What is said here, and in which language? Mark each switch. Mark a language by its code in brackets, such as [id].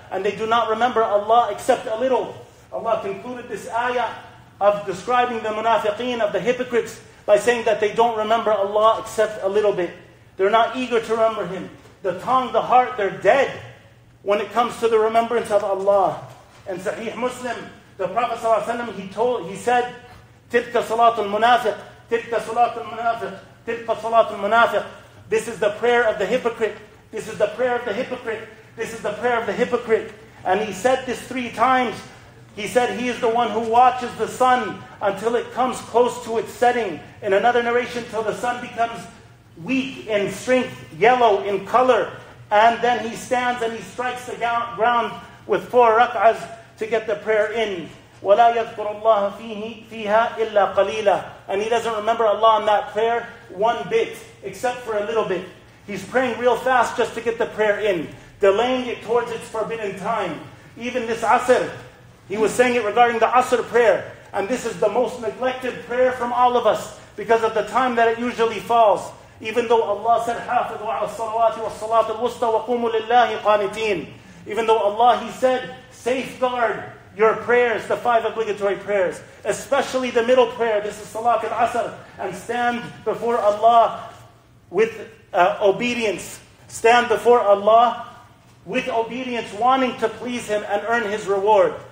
[en] And they do not remember Allah except a little. Allah concluded this ayah of describing the munafiqeen, of the hypocrites, by saying that they don't remember Allah except a little bit. They're not eager to remember Him. The tongue, the heart, they're dead when it comes to the remembrance of Allah. And Sahih Muslim, the Prophet ﷺ, he said, [ar] تِلْكَ صَلَاتُ الْمُنَافِقِ تِلْكَ صَلَاتُ الْمُنَافِقِ تِلْكَ صَلَاتُ الْمُنَافِقِ. [en] This is the prayer of the hypocrite. This is the prayer of the hypocrite. This is the prayer of the hypocrite. And he said this three times. He said, he is the one who watches the sun until it comes close to its setting. In another narration, till the sun becomes weak in strength, yellow in color. And then he stands and he strikes the ground with four rak'ahs to get the prayer in. [ar] وَلَا يَذْكُرُ اللَّهَ فِيهَا إِلَّا قَلِيلًا. [en] And he doesn't remember Allah in that prayer one bit, except for a little bit. He's praying real fast just to get the prayer in, delaying it towards its forbidden time. Even this asr, he was saying it regarding the asr prayer. And this is the most neglected prayer from all of us because of the time that it usually falls. Even though Allah said, [ar] حَافِظُوا عَلَى الصَّلَوَاتِ وَالصَّلَاةِ الْوُسْطَى وَقُومُوا لِلَّهِ قَانِتِينَ. [en] Even though Allah, He said, safeguard your prayers, the five obligatory prayers, especially the middle prayer, this is Salat al-Asr, and stand before Allah with obedience. Stand before Allah with obedience, wanting to please Him and earn His reward.